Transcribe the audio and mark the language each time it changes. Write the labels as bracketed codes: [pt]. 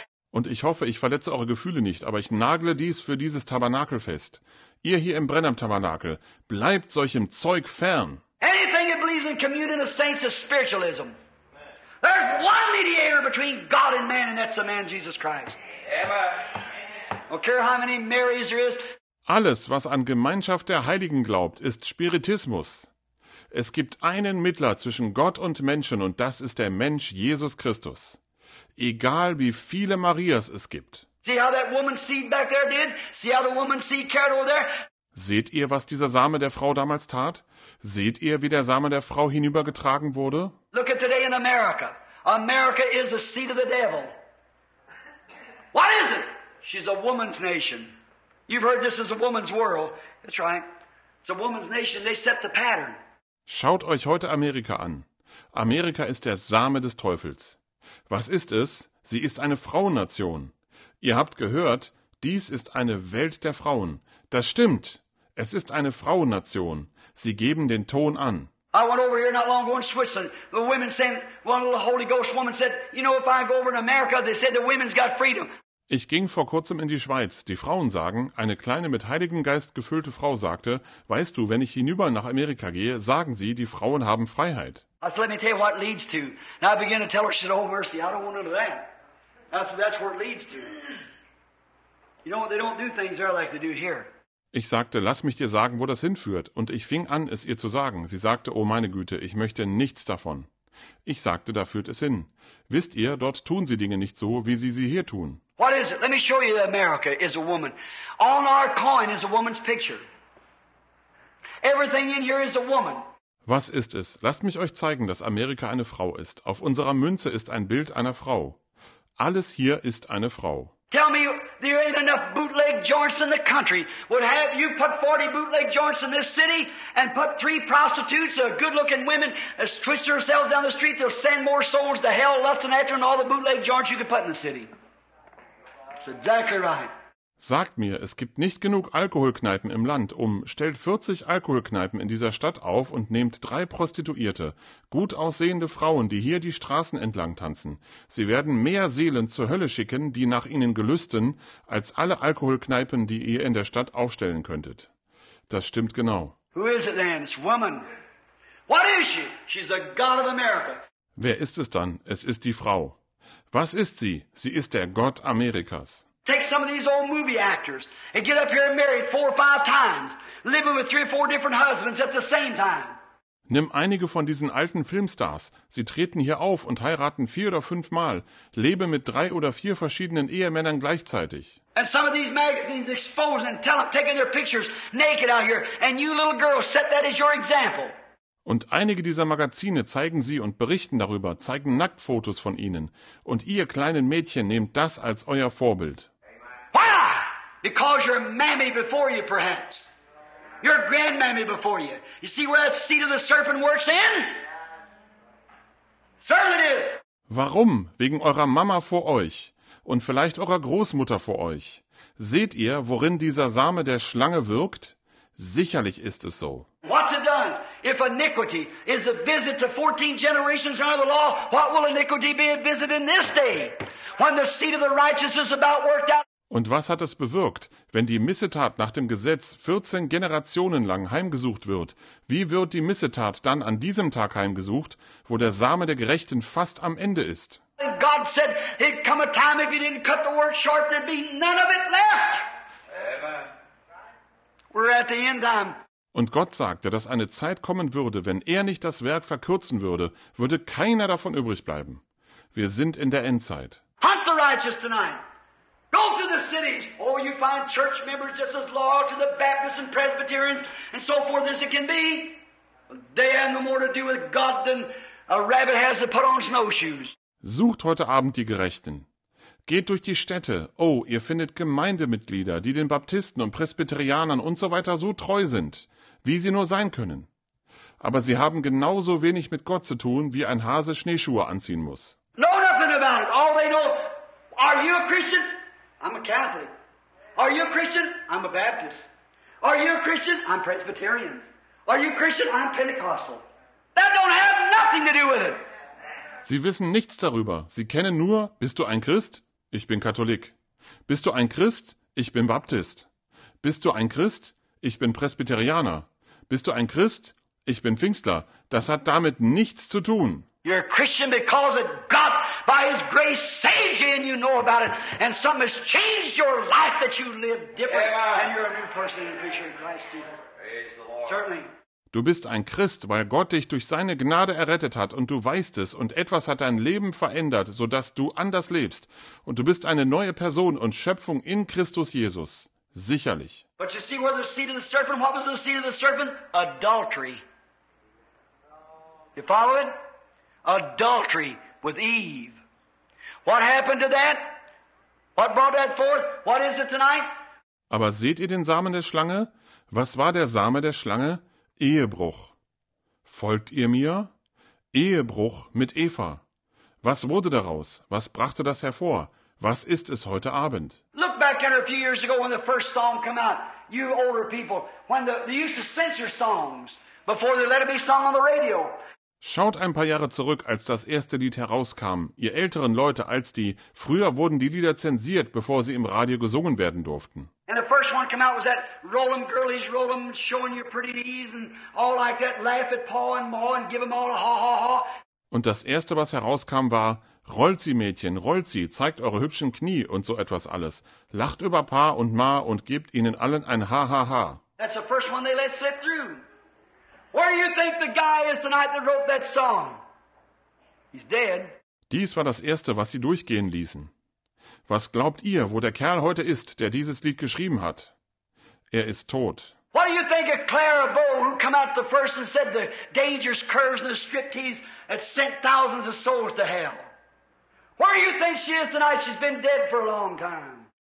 [de] Und ich hoffe, ich verletze eure Gefühle nicht, aber ich nagle dies für dieses Tabernakel fest. Ihr hier im Brennham-Tabernakel, bleibt solchem Zeug fern. [en] Anything that believes in communion of saints is spiritualism. There's one mediator between God and man, and that's the man Jesus Christ. Amen. Don't care how many Marys there is. [de] Alles, was an Gemeinschaft der Heiligen glaubt, ist Spiritismus. Es gibt einen Mittler zwischen Gott und Menschen, und das ist der Mensch Jesus Christus. Egal wie viele Marias es gibt. [en] See how that woman's seed back there did? See how the woman's seed carried over there? [de] Seht ihr, was dieser Same der Frau damals tat? Seht ihr, wie der Same der Frau hinübergetragen wurde? [en] Look at today in America. America is the seat of the devil. What is it? She's a woman's nation. You've heard this is a woman's world. That's right. It's a woman's nation. They set the pattern. [de] Schaut euch heute Amerika an. Amerika ist der Same des Teufels. Was ist es? Sie ist eine Frauennation. Ihr habt gehört, dies ist eine Welt der Frauen. Das stimmt. Es ist eine Frauennation. Sie geben den Ton an. [en] I went over here not long ago in Switzerland. The women said, one little Holy Ghost woman said, you know, if I go over in America, they said the women's got freedom. [de] Ich ging vor kurzem in die Schweiz. Die Frauen sagen, eine kleine mit Heiligen Geist gefüllte Frau sagte, weißt du, wenn ich hinüber nach Amerika gehe, sagen sie, die Frauen haben Freiheit. [en] I said, let me tell you what it leads to. And I began to tell her, she said, oh mercy, I don't want none of that. I said, that's where it leads to. You know, they don't do things there like they do here. [de] Ich sagte, lass mich dir sagen, wo das hinführt. Und ich fing an, es ihr zu sagen. Sie sagte, oh meine Güte, ich möchte nichts davon. Ich sagte, da führt es hin. Wisst ihr, dort tun sie Dinge nicht so, wie sie sie hier tun. [en] What is it? Let me show you that America is a woman. On our coin is a woman's picture. Everything in here is a woman. [de] Was ist es? Lasst mich euch zeigen, dass Amerika eine Frau ist. Auf unserer Münze ist ein Bild einer Frau. Alles hier ist eine Frau. [en] Tell me, there ain't enough bootleg joints in the country. Would have you put 40 bootleg joints in this city and put 3 prostitutes, good-looking women, as twist themselves down the street, they'll send more souls to hell, lusting after, and all the bootleg joints you could put in the city. That's exactly right. [de] Sagt mir, es gibt nicht genug Alkoholkneipen im Land, stellt 40 Alkoholkneipen in dieser Stadt auf und nehmt 3 Prostituierte, gut aussehende Frauen, die hier die Straßen entlang tanzen. Sie werden mehr Seelen zur Hölle schicken, die nach ihnen gelüsten, als alle Alkoholkneipen, die ihr in der Stadt aufstellen könntet. Das stimmt genau. [en] Who is it then? It's woman. What is she? She's the God of America. [de] Wer ist es dann? Es ist die Frau. Was ist sie? Sie ist der Gott Amerikas. [en] Take some of these old movie actors and get up here and married 4 or 5 times, living with 3 or 4 different husbands at the same time. [de] Nimm einige von diesen alten Filmstars. Sie treten hier auf und heiraten 4 oder 5 Mal, lebe mit 3 oder 4 verschiedenen Ehemännern gleichzeitig. [en] And some of these magazines expose and tell them, taking their pictures naked out here, and you little girls set that as your example. [de] Und einige dieser Magazine zeigen sie und berichten darüber, zeigen Nacktfotos von ihnen. Und ihr kleinen Mädchen nehmt das als euer Vorbild. [en] Why? Because your mammy before you, perhaps. Your grandmammy before you. You see where that seed of the serpent works in? Certainly it is. [de] Warum? Wegen eurer Mama vor euch. Und vielleicht eurer Großmutter vor euch. Seht ihr, worin dieser Same der Schlange wirkt? Sicherlich ist es so. [en] What's it done? If iniquity is a visit to 14 generations under the law, what will iniquity be a visit in this day? When the seed of the righteous is about worked out. [de] Und was hat es bewirkt, wenn die Missetat nach dem Gesetz 14 Generationen lang heimgesucht wird? Wie wird die Missetat dann an diesem Tag heimgesucht, wo der Same der Gerechten fast am Ende ist? [en] And God said, it'd come a time if you didn't cut the work short, there'd be none of it left. Amen. We're at the end time. [de] Und Gott sagte, dass eine Zeit kommen würde, wenn er nicht das Werk verkürzen würde, würde keiner davon übrig bleiben. Wir sind in der Endzeit. [en] Hunt the righteous tonight. Go through the cities. Oh, you find church members just as loyal to the Baptists and Presbyterians and so forth as it can be. They have no more to do with God than a rabbit has to put on snowshoes. [de] Sucht heute Abend die Gerechten. Geht durch die Städte. Oh, ihr findet Gemeindemitglieder, die den Baptisten und Presbyterianern und so weiter so treu sind, wie sie nur sein können. Aber sie haben genauso wenig mit Gott zu tun, wie ein Hase Schneeschuhe anziehen muss. [en] Know nothing about it. All they know, are you a Christian? I'm a Catholic. Are you a Christian? I'm a Baptist. Are you a Christian? I'm Presbyterian. Are you a Christian? I'm Pentecostal. That don't have nothing to do with it. [de] Sie wissen nichts darüber. Sie kennen nur, bist du ein Christ? Ich bin Katholik. Bist du ein Christ? Ich bin Baptist. Bist du ein Christ? Ich bin Presbyterianer. Bist du ein Christ? Ich bin Pfingstler. Das hat damit nichts zu tun. [en] You're a Christian because of God by his grace saved you and you know about it. And something has changed your life that you live different. Amen. And you're a new person in Christ Jesus. Praise the Lord. Certainly. [de] Du bist ein Christ, weil Gott dich durch seine Gnade errettet hat und du weißt es und etwas hat dein Leben verändert, sodass du anders lebst. Und du bist eine neue Person und Schöpfung in Christus Jesus. Sicherlich. [en] But you see where the seed of the serpent, what was the seed of the serpent? Adultery. You follow it? Adultery with Eve. What happened to that? What brought that forth? What is it tonight? [de] Aber seht ihr den Samen der Schlange? Was war der Same der Schlange? Ehebruch. Folgt ihr mir? Ehebruch mit Eva. Was wurde daraus? Was brachte das hervor? Was ist es heute Abend? [en] Look back at a few years ago when the first song came out. You older people, when they used to censor songs before they let it be sung on the radio. [de] Schaut ein paar Jahre zurück, als das erste Lied herauskam, ihr älteren Leute, als die, früher wurden die Lieder zensiert, bevor sie im Radio gesungen werden durften. [en] And the first one came out was that Roll'em girlies, Roll'em, showing your pretty knees and all like that, laugh at Pa and Ma and give them all a ha ha ha. [de] Und das erste, was herauskam, war, rollt sie Mädchen, rollt sie, zeigt eure hübschen Knie und so etwas alles. Lacht über Pa und Ma und gebt ihnen allen ein ha ha ha. [en] That's the first one they let slip through. Where do you think the guy is tonight that wrote that song? He's dead. [de] Dies war das erste, was sie durchgehen ließen. Was glaubt ihr, wo der Kerl heute ist, der dieses Lied geschrieben hat? Er ist tot. [en] What do you think of Clara Bow, who came out the first and said the dangerous curves and the striptease had sent thousands of souls to hell? Where do you think she is tonight? She's been dead for a long time.